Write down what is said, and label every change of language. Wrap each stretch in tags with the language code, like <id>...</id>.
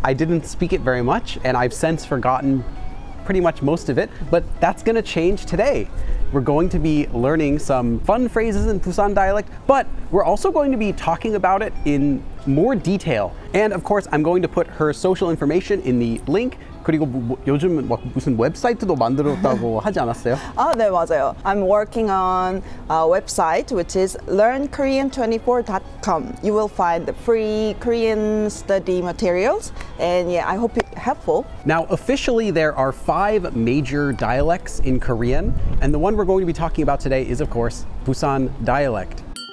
<en>I didn't speak it very much, and I've since forgotten pretty much most of it. But that's gonna change today. We're going to be learning some fun phrases in Busan dialect, but we're also going to be talking about it in more detail. And of course, I'm going to put her social information in the link.</en> <ko>그리고 요즘 막 무슨 웹사이트도 만들었다고 하지 않았어요? 아, 네, 맞아요.</ko> <en>I'm working on a website which is learnkorean24.com. You will find the free Korean study materials, and yeah, I hope it's helpful. Now, officially, there are 5 major dialects in Korean, and the one we're going to be talking about today is, of course, Busan dialect.</en>